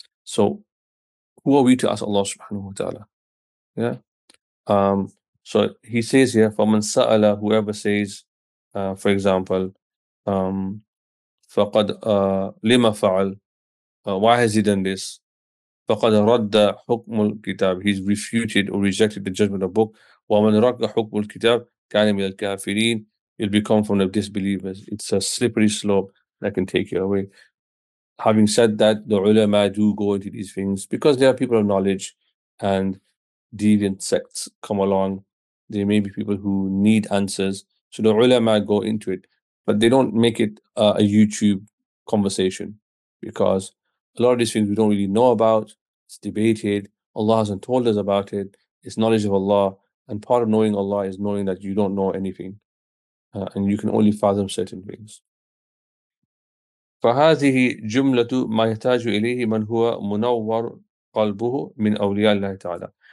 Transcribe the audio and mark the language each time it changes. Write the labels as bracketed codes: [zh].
[en] So who are we to ask Allah subhanahu wa ta'ala? Yeah. So he says here, for [ar] man sa'ala, [en] whoever says, for example, [ar] فقد لما فعل, [en] why has he done this? [ar] فقد رد حكم الكتاب, [en] he's refuted or rejected the judgment of the book. [ar] ومن رد حكم الكتاب كان من الكافرين, [en] it'll become from the disbelievers. It's a slippery slope that can take you away. Having said that, the ulama do go into these things because they are people of knowledge, and deviant sects come along. There may be people who need answers, so the ulama go into it, but they don't make it a YouTube conversation, because a lot of these things we don't really know about. It's debated. Allah hasn't told us about it. It's knowledge of Allah, and part of knowing Allah is knowing that you don't know anything, and you can only fathom certain things. [ar] فهذه جملة ما يحتاج إليه من هو منور قلبه من أولياء الله تعالى.